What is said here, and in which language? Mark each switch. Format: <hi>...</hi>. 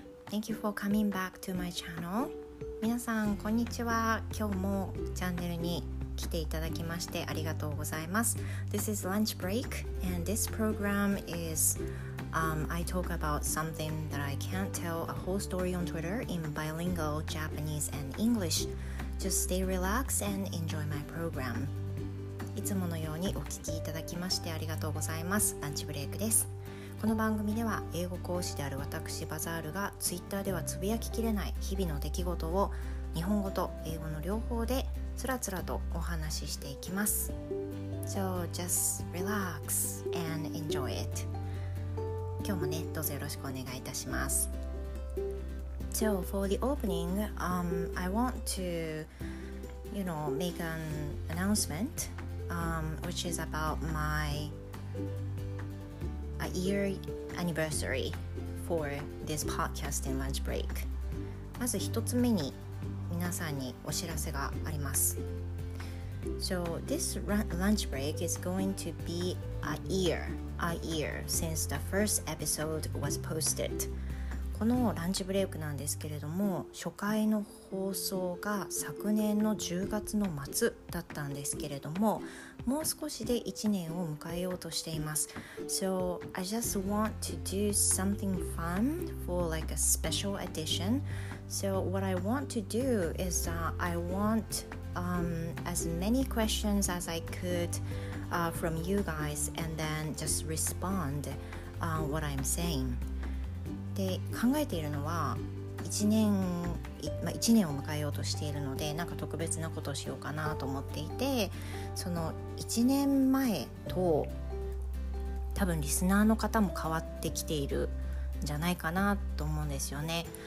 <en>Thank you for coming back to my channel.</en> <ja>皆さん、こんにちは。今日もチャンネルに来ていただきましてありがとうございます。</ja> <en>This is lunch break, and this program is, I talk about something that I can't tell a whole story on Twitter in bilingual Japanese and English. Just stay relaxed and enjoy my program.</en> <ja>いつものようにお聞きいただきましてありがとうございます。ランチブレイクです。この番組では英語講師である私バザールがツイッターではつぶやききれない日々の出来事を日本語と英語の両方でつらつらとお話ししていきます。</ja> <en>So just relax and enjoy it.</en> <ja>今日もね、どうぞよろしくお願いいたします。</ja> <en>So for the opening, I want to, you know, make an announcement, which is about my... a year anniversary for this podcast and lunch break.</en> <ja>まず一つ目に皆さんにお知らせがあります。</ja> <en>So this lunch break is going to be a year since the first episode was posted.</en> <ja>このランチブレイクなんですけれども、初回の放送が昨年の10月の末だったんですけれども、もう少しで1年を迎えようとしています。</ja> <en>So, I just want to do something fun for like a special edition. So, what I want to do is I want as many questions as I could from you guys and then just respond what I'm saying.</en> <ja>で考えているのは1年を迎えようとしているのでなんか特別なことをしようかなと思っていてその1年前と多分リスナーの方も変わってきているんじゃないかなと思うんですよね。</ja>